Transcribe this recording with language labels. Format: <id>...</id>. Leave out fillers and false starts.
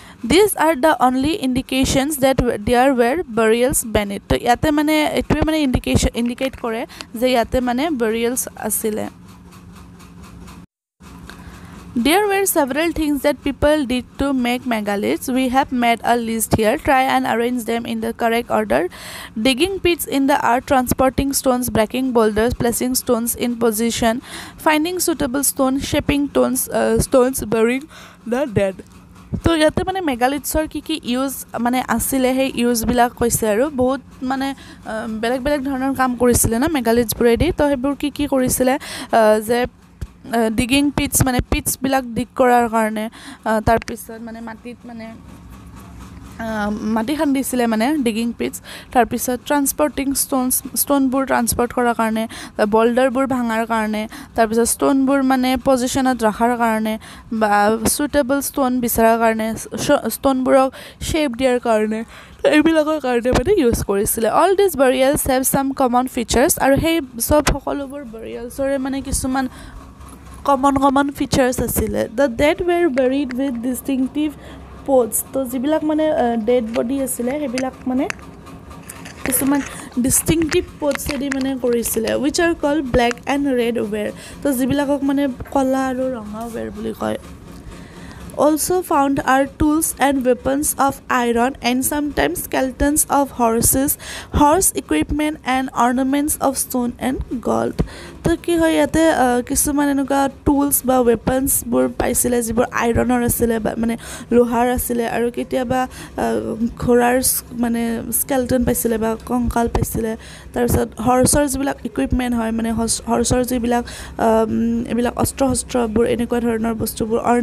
<en>these are the only indications that there were burials beneath,</en> <as>তো ইয়াতে মানে এইটোৱে মানে ইণ্ডিকেট কৰে যে ইয়াতে মানে বাৰিয়েলছ আছিলে।</as> <en>There were several things that people did to make megaliths. We have made a list here. Try and arrange them in the correct order. Digging pits in the earth, transporting stones, breaking boulders, placing stones in position, finding suitable stone, shaping stones, burying the dead.</en> <as>তো ইয়াতে মানে মেগালিথছৰ কি কি use মানে আছিলে সেই ইউজবিলাক কৈছে আৰু, বহুত মানে বেলেগ বেলেগ ধৰণৰ কাম কৰিছিলে ন মেগালিথছবোৰেদি, তো সেইবোৰ কি কি কৰিছিলে যে ডিগিং পিটছ মানে পিটছবিলাক ডিগ কৰাৰ কাৰণে, তাৰপিছত মানে মাটিত মানে মাটি খান্দিছিলে মানে ডিগিং পিটছ, তাৰপিছত ট্ৰান্সপৰ্টিং ষ্টোনবোৰ ট্ৰান্সপৰ্ট কৰাৰ কাৰণে, বোল্ডাৰবোৰ ভাঙাৰ কাৰণে, তাৰপিছত ষ্টোনবোৰ মানে পজিশ্যনত ৰখাৰ কাৰণে বা চুইটেবল ষ্টোন বিচৰাৰ কাৰণে, ষ্টোনবোৰক শ্বেপ দিয়াৰ কাৰণে, এইবিলাকৰ কাৰণে মানে ইউজ কৰিছিলে।</as> <en>all these burials have some common features,</en> <as>আৰু সেই চব সকলোবোৰ বাৰিয়েলছৰে মানে কিছুমান কমন ফিচাৰ্ছ আছিলে।</as> <en>the dead were buried with distinctive pose,</en> <as>তো যিবিলাক মানে ডেড বডি আছিলে সেইবিলাক মানে কিছুমান ডিষ্টিংটিভ পোজেদি মানে কৰিছিলে,</as> <en>which are called black and red were,</en> <as>তো যিবিলাকক মানে কলা আৰু ৰঙা ৱেৰ বুলি কয়।</as> <en>also found are tools and weapons of iron and sometimes skeletons of horses, horse equipment and ornaments of stone and gold.</en> <as>তো কি হয় ইয়াতে কিছুমান এনেকুৱা টুলছ বা ৱেপনছবোৰ পাইছিলে যিবোৰ আইৰণৰ আছিলে বা মানে লোহাৰ আছিলে আৰু কেতিয়াবা ঘোঁৰাৰ মানে স্কেলটন পাইছিলে বা কংকাল পাইছিলে তাৰপিছত হৰ্চৰ যিবিলাক ইকুইপমেণ্ট হয় মানে হৰ্চৰ যিবিলাক এইবিলাক অস্ত্ৰ শস্ত্ৰবোৰ এনেকুৱা ধৰণৰ বস্তুবোৰ</as>